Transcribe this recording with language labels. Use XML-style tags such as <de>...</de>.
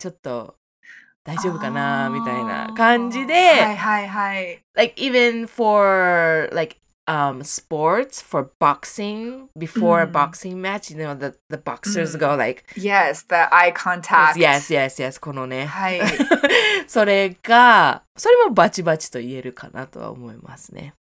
<ja>ちょっと大丈夫かなみたいな感じで、はいはいはい、</ja> <en>like even for likeSports for boxing before a boxing match, you know, the boxers go like, yes, the eye contact, yes, yes, yes,</en> <ja>このね、はい、それがそれもバチバチと言えるかなとは思いますね。</ja>